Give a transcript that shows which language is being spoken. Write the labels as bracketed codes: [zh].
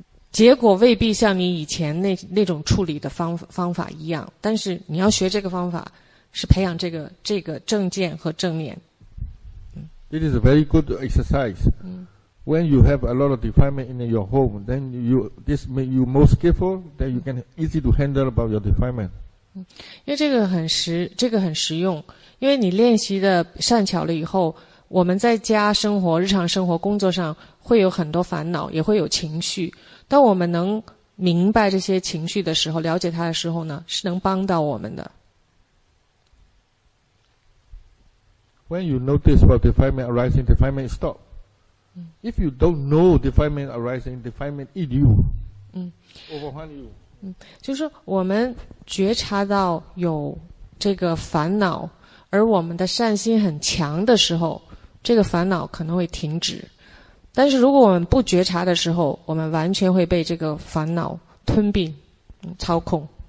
[zh] 结果未必像你以前那种处理的方法一样，但是你要学这个方法，是培养这个正见和正念。 [en] It is a very good exercise. When you have a lot of defilement in your home, then this make you more skillful, then you can easy to handle about your defilement. [zh] 因为这个很实用，因为你练习的善巧了以后，我们在家生活、日常生活、工作上会有很多烦恼，也会有情绪。当我们能明白这些情绪的时候，了解它的时候呢，是能帮到我们的。 [en] When you notice about defilement arising, defilement stop. If you don't know defilement arising, defilement eat you. [zh] 就是我们觉察到有这个烦恼，而我们的善心很强的时候，这个烦恼可能会停止。但是如果我们不觉察的时候，我们完全会被这个烦恼吞并、操控。